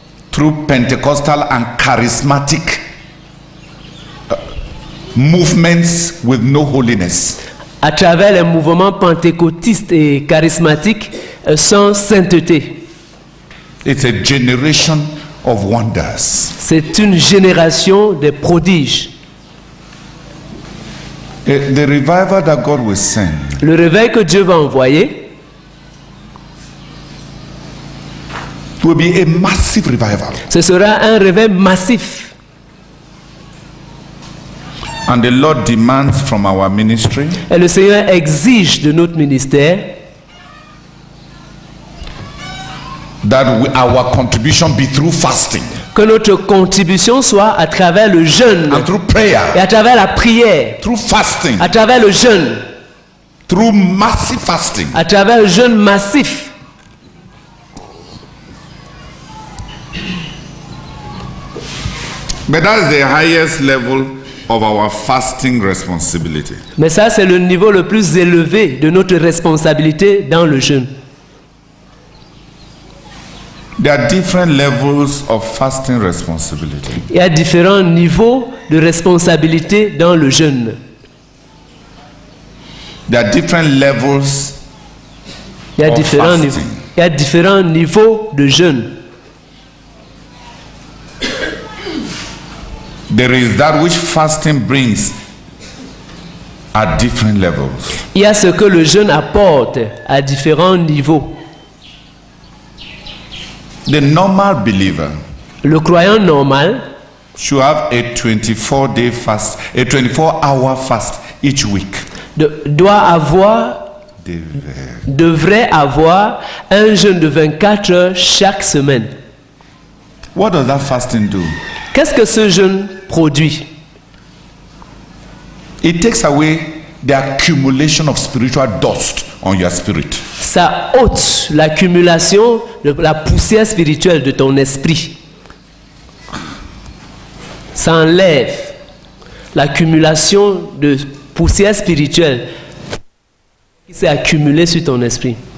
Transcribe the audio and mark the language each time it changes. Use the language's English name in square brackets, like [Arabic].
[English] Through Pentecostal and charismatic movements with no holiness. [French] À travers les mouvements pentecôtistes et charismatiques sans sainteté. [English] It's a generation of wonders. [French] C'est une génération de prodiges. [English] The revival that God will send. [French] Le réveil que Dieu va envoyer. [English] Will be a massive revival. [French] Ce sera un réveil massif. [English] And the Lord demands from our ministry. [French] Et le Seigneur exige de notre ministère [English] that our contribution be through fasting. [French] Que notre contribution soit à travers le jeûne. [English] And through prayer. [French] Et à travers la prière. [English] Through fasting. [French] À travers le jeûne. [English] Through massive fasting. [French] À travers le jeûne massif. [English] But that is the highest level of our fasting responsibility. [French] Mais ça c'est le niveau le plus élevé de notre responsabilité dans le jeûne. [English] There are different levels of fasting responsibility. [French] Il y a différents niveaux de responsabilité dans le jeûne. [English] There are different levels [French] Il y a différents niveaux. Il y a différents niveaux de jeûne. [English] There is that which fasting brings at different levels. [French] Il y a ce que le jeûne apporte à différents niveaux. [English] The normal believer, [French] le croyant normal, [English] should have a 24-day fast, a 24-hour fast each week. [French] Devrait avoir un jeûne de 24 heures chaque semaine. [English] What does that fasting do? [French] Qu'est-ce que ce jeûne produit? [English] It takes away the accumulation of spiritual dust on your spirit. [French] Ça ôte l'accumulation de la poussière spirituelle de ton esprit. Ça enlève l'accumulation de poussière spirituelle qui s'est accumulée sur ton esprit.